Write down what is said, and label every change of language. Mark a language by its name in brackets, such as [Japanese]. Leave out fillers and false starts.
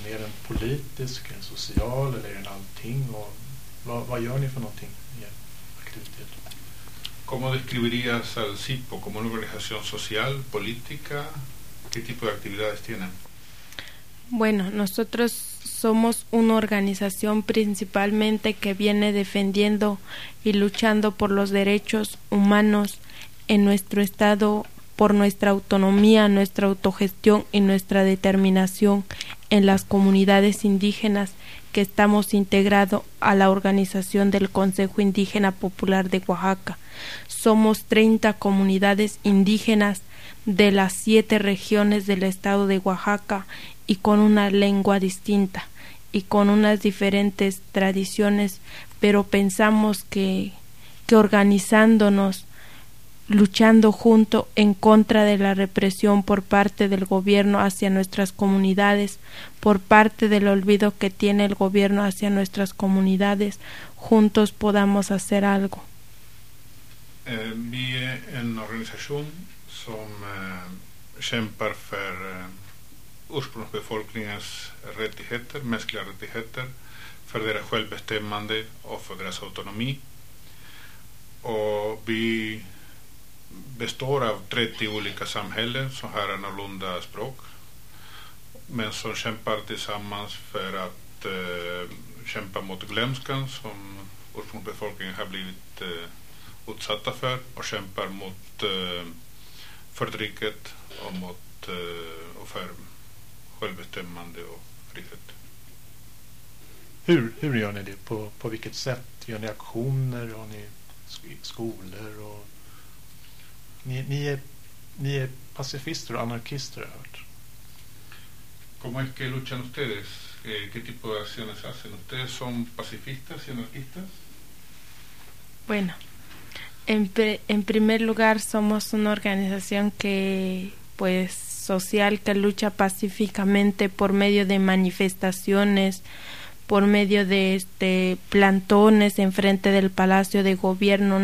[Swedish] Är den politisk, är den social eller är den allting? Och vad gör ni för någonting i er aktivitet? [Spanish] ¿Cómo describirías al SIPO como una organización social, política? ¿Qué tipo de actividades tienen? Bueno, nosotros somos una organización principalmente que viene defendiendo y luchando por los derechos humanos en nuestro estado, por nuestra autonomía, nuestra autogestión y nuestra determinación en las comunidades indígenas que estamos integrados a la organización del Consejo Indígena Popular de Oaxaca. Somos 30 comunidades indígenas de las 7 regiones del estado de Oaxaca, y con una lengua distinta y con unas diferentes tradiciones, pero pensamos que organizándonos, luchando junto en contra de la represión por parte del gobierno hacia nuestras comunidades, por parte del olvido que tiene el gobierno hacia nuestras comunidades, juntos podamos hacer algo. [Swedish] Vi är en organisation som kämpar för ursprungsbefolkningens rättigheter, mänskliga rättigheter, för deras självbestämmande och för deras autonomi. Och vi består av 30 olika samhällen som har annorlunda språk, men som kämpar tillsammans för att kämpa mot glömskan som ursprungsbefolkningen har blivit utsatta för, och kämpar mot förtrycket och mot och för självbestämmande och frihet. Hur gör ni det? På vilket sätt? Gör ni aktioner? Har ni skolor? Och ni är pacifister och anarkister, har jag hört. [Spanish] ¿Cómo es que luchan ustedes? ¿Qué tipo de acciones hacen? ¿Ustedes son pacifistas y anarquistas? Bueno, en primer lugar somos una organización que, pues, social, que lucha pacíficamente por medio de manifestaciones, por medio de plantones en frente del Palacio de Gobierno.